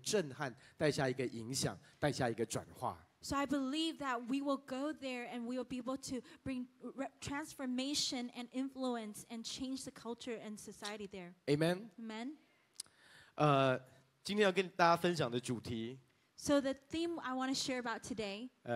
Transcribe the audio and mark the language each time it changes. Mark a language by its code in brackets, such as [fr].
[zh] 我相信我们可以在那个地方带下一个震撼，带下一个影响，带下一个转化。 [en] So I believe that we will go there and we will be able to bring transformation and influence and change the culture and society there. Amen. Amen. [zh] 今天要跟大家分享的主题, [en] so the theme I want to share about today.